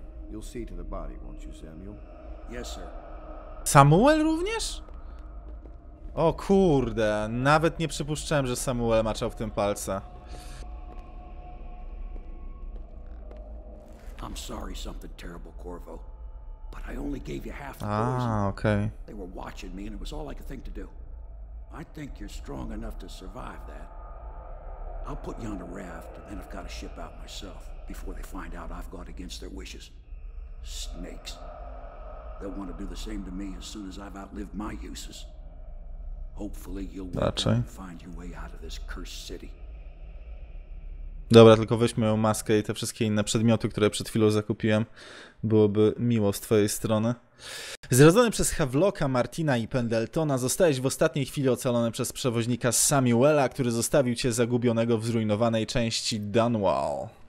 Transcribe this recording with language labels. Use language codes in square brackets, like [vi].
[en] You'll see to the body, won't you, Samuel? Yes, sir. [pl] Samuel również? O kurde, nawet nie przypuszczałem, że Samuel maczał w tym palce. [en] I'm sorry, something terrible, Corvo. But I only gave you half the poison. Okay. They were watching me, and it was all I could think to do. I think you're strong enough to survive that. I'll put you on a raft, and then I've got to ship out myself before they find out I've gone against their wishes. Snakes. They'll want to do the same to me as soon as I've outlived my uses. Hopefully you'll find your way out of this cursed city. [pl] Dobra, tylko weźmy ją maskę i te wszystkie inne przedmioty, które przed chwilą zakupiłem. Byłoby miło z twojej strony. Zrodzony przez Havloka, Martina i Pendletona, zostałeś w ostatniej chwili ocalony przez przewoźnika Samuela, który zostawił cię zagubionego w zrujnowanej części Dunwall.